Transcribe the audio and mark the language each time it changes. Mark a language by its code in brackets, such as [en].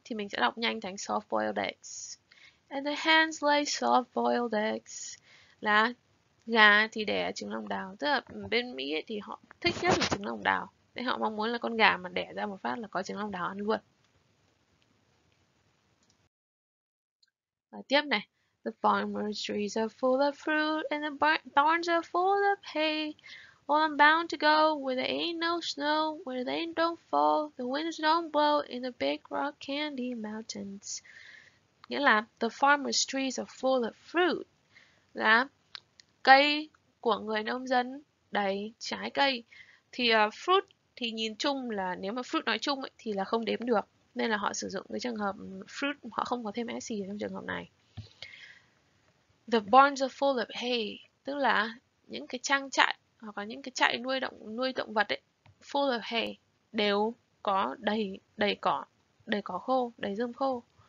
[vi] Thì mình sẽ đọc nhanh thành [en] soft boiled eggs. And the hens lay soft boiled eggs [vi] là gà thì đẻ trứng lồng đào. Tức là bên Mỹ ấy, thì họ thích nhất là trứng lồng đào. Thế họ mong muốn là con gà mà đẻ ra một phát là có trứng lòng đào ăn luôn. Và tiếp này. [en] The farmer's trees are full of fruit and the barns are full of hay. Well, I'm bound to go where there ain't no snow, where they don't fall, the winds don't blow in the big rock candy mountains. [vi] Nghĩa là [en] the farmer's trees are full of fruit. [vi] Là cây của người nông dân đầy trái cây. Thì fruit thì nhìn chung là nếu mà fruit nói chung ấy, thì là không đếm được, nên là họ sử dụng cái trường hợp fruit, họ không có thêm s gì trong trường hợp này. [en] The barns are full of hay [vi] tức là những cái trang trại hoặc là những cái trại nuôi động vật ấy, [en] full of hay [vi] đều có đầy đầy cỏ khô, đầy rơm khô.